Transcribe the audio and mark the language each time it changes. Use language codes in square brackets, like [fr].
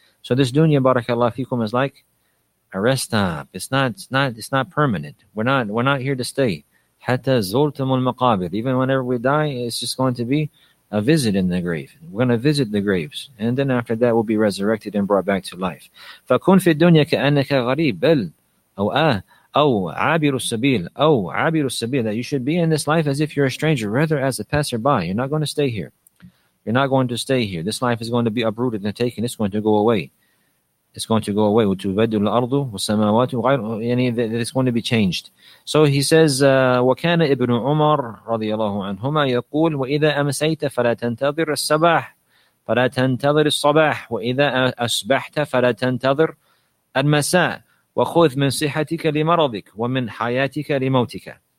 [en] So this dunya, barakallahu fikum, is like a rest stop. It's not permanent. We're not here to stay. [ar] Hatta zultumul maqabir. [en] Even whenever we die, it's just going to be a visit in the grave. We're going to visit the graves. And then after that, we'll be resurrected and brought back to life. [ar] فَكُنْ فِي الدُّنْيَا كَأَنَّكَ غَرِيبٌ أَوْ عَابِرُ السَّبِيلِ أَوْ عَابِرُ السَّبِيلِ. [en] That you should be in this life as if you're a stranger, rather as a passerby. You're not going to stay here. You're not going to stay here. This life is going to be uprooted and taken. It's going to go away. It's going to go away. [ar] وَتُبَدُّ الْأَرْضُ وَالسَّمَاوَاتُ غَيْرُ. [en] It's going to be changed. So he says, [ar] وَكَانَ إِبْنُ عُمَرَ رَضِيَ اللَّهُ عَنْهُمَا يَقُولُ وَإِذَا أَمْسَيْتَ فَلَا تَنْتَظِرَ الصَّبَاحَ فَلَا تَنْتَظِرَ الصَّبَاحَ وَإِذَا أَصْبَحْتَ فَلَا تَنْتَظِرَ الْمَسَاءَ وَخُذْ مِنْ صِحَتِكَ لِمَرَضِكَ وَمِنْ حَيَاتِكَ لِمَوْتِكَ.